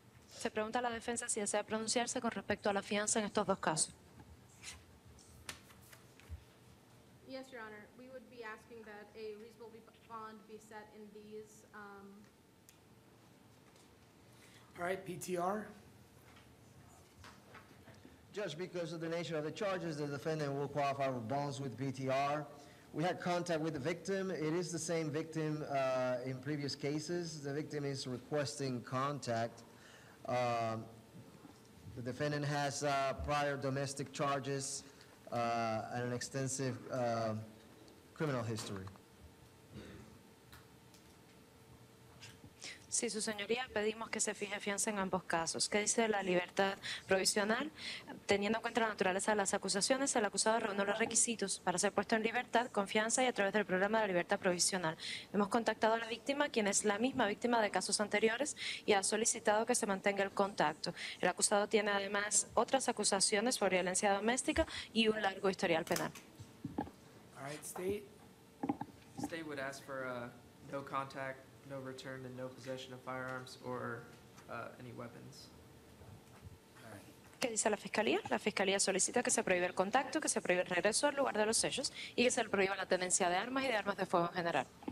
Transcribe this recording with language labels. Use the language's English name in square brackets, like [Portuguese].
[Spanish] Se pregunta a la defensa si desea pronunciarse con respecto a la fianza en estos dos casos. [English] Yes, Your Honor. We would be asking that a reasonable bond be set in these. All right, PTR. Judge, because of the nature of the charges, the defendant will qualify for bonds with PTR. We had contact with the victim. It is the same victim in previous cases. The victim is requesting contact. The defendant has prior domestic charges and an extensive criminal history. [Spanish] Sí, su señoría, pedimos que se fije fianza en ambos casos. ¿Qué dice la libertad provisional? Teniendo en cuenta la naturaleza de las acusaciones, el acusado reunió los requisitos para ser puesto en libertad, confianza y a través del programa de la libertad provisional. Hemos contactado a la víctima, quien es la misma víctima de casos anteriores, y ha solicitado que se mantenga el contacto. El acusado tiene además otras acusaciones por violencia doméstica y un largo historial penal. [English] All right, State. State would ask for no contact, no return, and no possession of firearms or any weapons. [Spanish] ¿Qué dice la Fiscalía? La Fiscalía solicita que se prohíba el contacto, que se prohíba el regreso al lugar de los hechos y que se le prohíba la tenencia de armas y de armas de fuego en general.